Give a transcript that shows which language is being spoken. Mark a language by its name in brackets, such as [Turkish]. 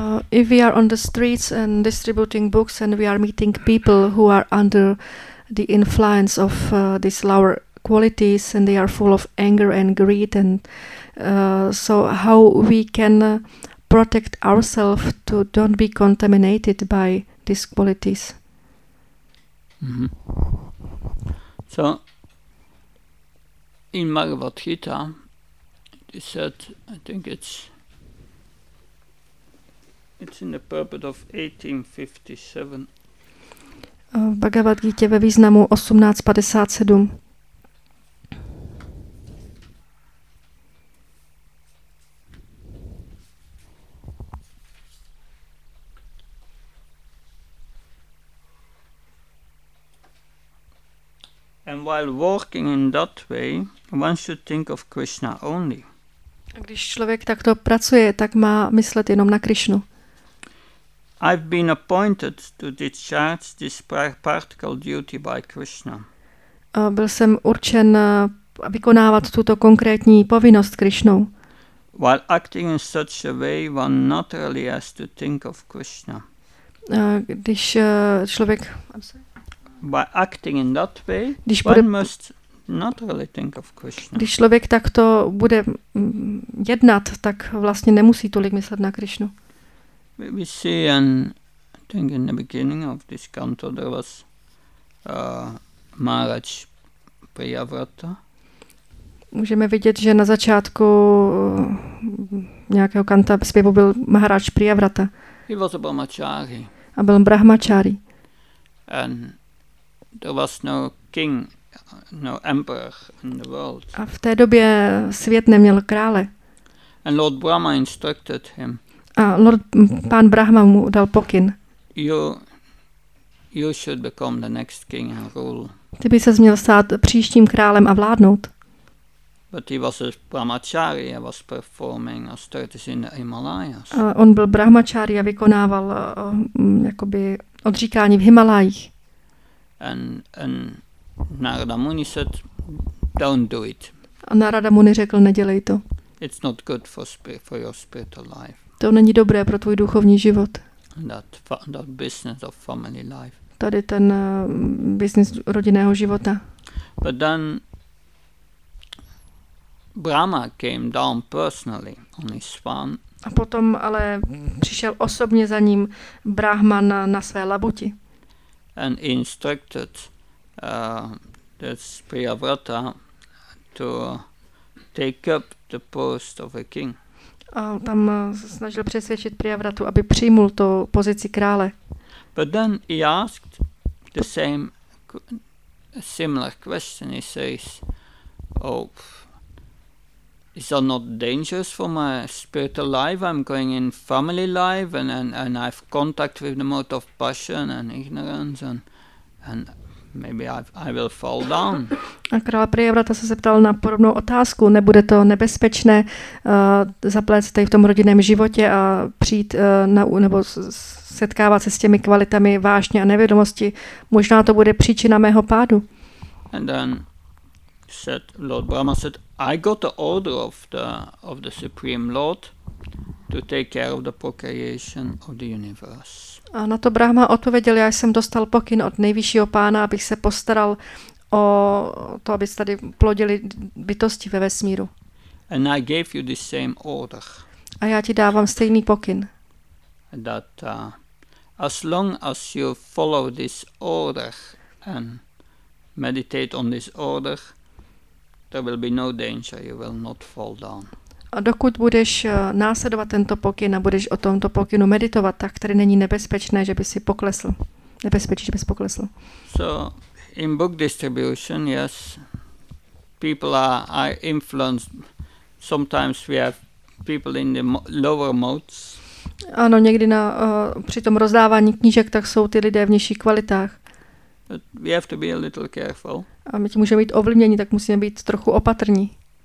[English] If we are on the streets and distributing books and we are meeting people who are under the influence of these lower qualities and they are full of anger and greed, and so how we can protect ourselves to don't be contaminated by these qualities? Mm-hmm. So in Bhagavad Gita, he said, I think it's in the purport of 1857. [Czech] V Bhagavad Gita ve významu 1857. [English] And while walking in that way, one should think of Krishna only. [Czech] A když člověk takto pracuje, tak má myslet jenom na Krishnu. [English] I've been appointed to discharge this practical duty by Krishna. [Czech] Byl jsem určen vykonávat tuto konkrétní povinnost Krishnou. [English] While acting in such a way, one naturally has to think of Krishna. [Czech] Když člověk, [English] by acting in that way, když one must naturally think of Krishna. [Czech] Když člověk takto bude jednat, tak vlastně nemusí tolik myslet na Krishnu. [English] We see, and I think in the beginning of this canto there was Maharaj Priyavrata. [Czech] Můžeme vidět, že na začátku nějakého kanta zpěvu byl Maharaj Priyavrata. [English] He was a brahmachari. [Czech] A byl brahmachari. [English] And there was no king, no emperor in the world. [Czech] A v té době svět neměl krále. [English] And Lord Brahma instructed him. [Czech] A Lord, pán Brahma mu dal pokyn. [English] You should become the next king and rule. [Czech] Ty by ses měl stát příštím králem a vládnout. [English] But he was a brahmachari and was performing austerities in the Himalayas. [Czech] A on byl brahmachari a vykonával jakoby odříkání v Himalajích. [English] And Narada Muni said, don't do it. [Czech] A Narada Muni řekl, nedělej to. [English] It's not good for your spiritual life. [Czech] To není dobré pro tvůj duchovní život. [English] That business of family life. [Czech] Tady ten business rodinného života. [English] But then Brahma came down personally on his swan. [Czech] A potom ale přišel osobně za ním Brahma na své labuti. [English] And instructed this Priyavrata to take up the post of a king. [Czech] A tam snažil přesvědčit Priyavratu, aby přijmul to pozici krále. [English] But then he asked the same similar question. He says, oh, is that not dangerous for my spiritual life? I'm going in family life and I've contact with the mode of passion and ignorance and maybe I will fall down. [Czech] A král Priyavrata se zeptal na podobnou otázku. Nebude to nebezpečné zaplést tady v tom rodinném životě a přijít nebo setkávat se s těmi kvalitami vášně a nevědomosti. Možná to bude příčina mého pádu. [English] And then said Lord Brahma said, I got the order of the Supreme Lord to take care of the procreation of the universe. [Czech] A na to Brahma odpověděl, já jsem dostal pokyn od nejvyššího pána, abych se postaral o to, aby se tady plodili bytosti ve vesmíru. [English] And I gave you the same order. [Czech] A já ti dávám stejný pokyn. [English] That as long as you follow this order and meditate on this order, there will be no danger, you will not fall down. [Czech] dokud budeš následovat tento pokyn a budeš o tomto pokynu meditovat, tak tady není nebezpečné, že by si poklesl. Nebezpečí, že bys poklesl. [English] So, in book distribution, yes, people are influenced. Sometimes we have people in the lower modes. [Czech] Ano, někdy na při tom rozdávání knížek, tak jsou ty lidé v nižších kvalitách. [English] But we have to be a little careful. [Czech] A my tím můžeme být ovlivněni, tak musíme být trochu opatrní.